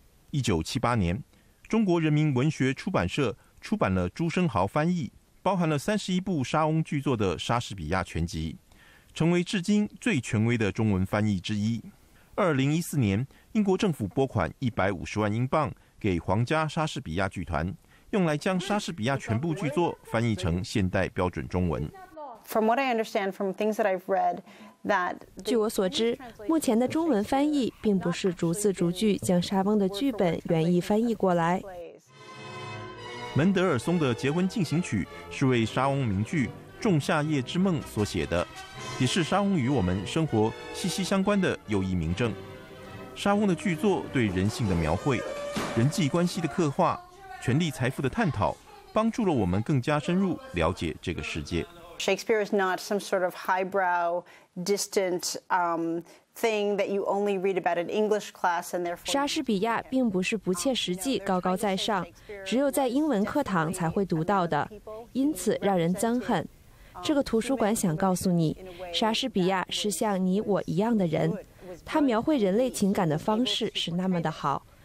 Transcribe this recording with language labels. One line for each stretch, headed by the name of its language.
Chinese: 1978年，中国人民文学出版社出版了朱生豪翻译包含了31部莎翁剧作的莎士比亚全集，成为至今最权威的中文翻译之一。 2014年，英国政府拨款150万英镑给皇家莎士比亚剧团，用来将莎士比亚全部剧作翻译成现代标准中文。
English: From what I understand, from things that I've read, that
Chinese: 据我所知，目前的中文翻译并不是逐字逐句将莎翁的剧本原意翻译过来。门德尔松的《结婚进行曲》是为莎翁名剧《仲夏夜之梦》所写的，也是莎翁与我们生活息息相关的又一明证。莎翁的剧作对人性的描绘、人际关系的刻画、权力财富的探讨，帮助了我们更加深入了解这个世界。
English: Shakespeare is not some sort of highbrow, distant thing that you only read about in English class, and therefore
Chinese: 莎士比亚并不是不切实际、高高在上，只有在英文课堂才会读到的，因此让人憎恨。这个图书馆想告诉你，莎士比亚是像你我一样的人，他描绘人类情感的方式是那么的好。